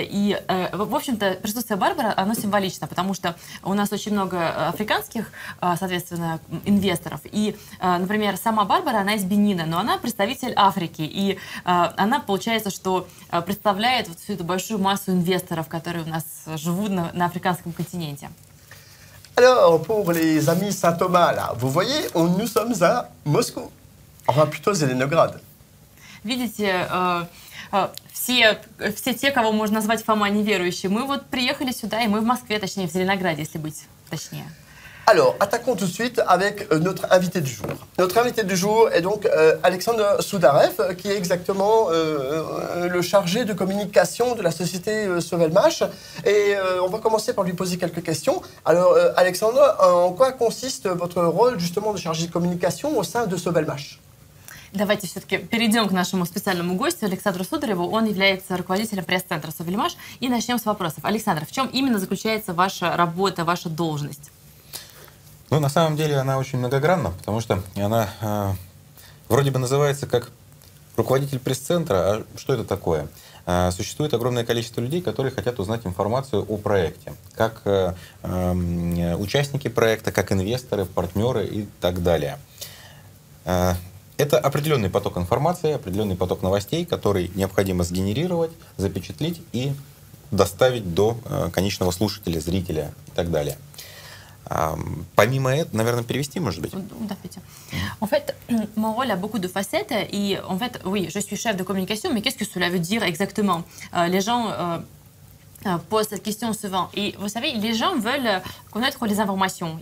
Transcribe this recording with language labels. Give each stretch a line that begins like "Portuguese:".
Russian: И, в общем-то, присутствие Барбары, оно символично, потому что у нас очень много африканских, соответственно, инвесторов. И, например, сама Барбара, она из Бенина, но она представитель Африки. И она, получается, что представляет вот всю эту большую массу инвесторов, которые у нас живут на африканском континенте.
French: Alors, pour les amis Saint-Thomas, là, vous voyez, nous sommes à Moscou. Enfin, plutôt Зеленоград.
Russian: Видите, все те, кого можно назвать Фома неверующие, мы вот приехали сюда, и мы в Москве, точнее, в Зеленограде, если быть точнее.
French: Alors, attaquons tout de suite avec notre invité du jour. Notre invité du jour est donc Alexandre Sударев, qui est exactement le chargé de communication de la société Sauvelmash. Et on va commencer par lui poser quelques questions. Alors, Alexandre, en quoi consiste votre rôle, justement, de chargé de communication au sein de Sauvelmash?
Russian: Давайте все-таки перейдем к нашему специальному гостю Александру Судареву. Он является руководителем пресс-центра «Совельмаш». И начнем с вопросов. Александр, в чем именно заключается ваша работа, ваша должность? Ну, на самом деле она очень многогранна, потому что она вроде бы называется как руководитель пресс-центра. А что это такое? Существует огромное количество людей, которые хотят узнать информацию о проекте. Как участники проекта, как инвесторы, партнеры и так далее. Это определенный поток информации, определенный поток новостей, который необходимо сгенерировать, запечатлеть и доставить до конечного слушателя, зрителя и так далее. Помимо этого, наверное, перевести, может быть? Да, Петя.
French: En fait, mon rôle a beaucoup de facettes, et en fait, oui, je suis chef de communication, mais qu'est-ce que cela veut dire exactement? Les gens posent cette question souvent. Et vous savez, les gens veulent connaître les informations.